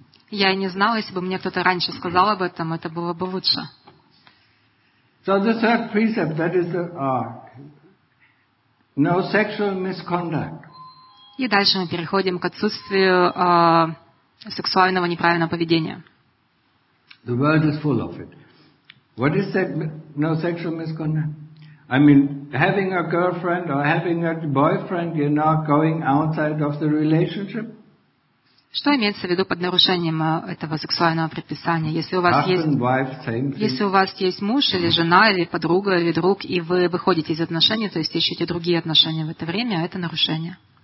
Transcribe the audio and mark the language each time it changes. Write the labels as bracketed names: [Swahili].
[Russian] Я и не знал, если бы мне кто-то раньше сказал об этом, это было бы лучше. [English] So the third precept, that is the no sexual misconduct. [Russian] И дальше мы переходим к отсутствию сексуального неправильного поведения. [English] The world is full of it. What is that no sexual misconduct? I mean, having a girlfriend or having a boyfriend, you're not going outside of the relationship. [Russian] Что имеется в виду под нарушением этого сексуального предписания? Если у вас есть муж или жена, или подруга, или друг, и вы выходите из отношений, то есть ищете другие отношения в это время, это нарушение.